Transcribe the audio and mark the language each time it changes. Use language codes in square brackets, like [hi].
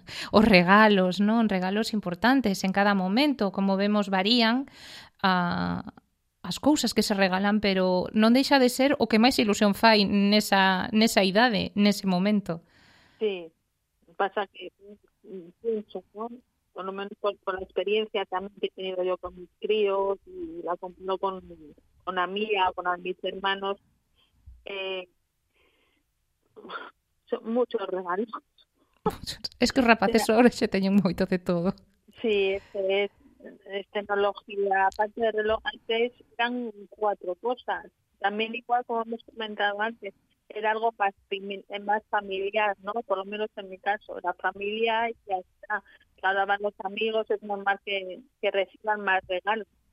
[gl] Os regalos, non, regalos importantes en cada momento, como vemos varían as cousas que se regalan, pero non deixa de ser o que máis ilusión fai nesa idade, nese momento. [es] Sí, pasa que pienso, ¿no? Por lo menos con la experiencia también que he tenido yo con mis críos y la no con una mía, con mis hermanos, son muchos regalos. Es que los rapaces ahora se [gl] teñen moito de todo. [es] Sí, es tecnología. Aparte de reloj, antes eran cuatro cosas. También, igual como hemos comentado antes, era algo más familiar, ¿no? Por lo menos en mi caso, la familia ya está. Ahora van los amigos, es normal que reciban más regalos.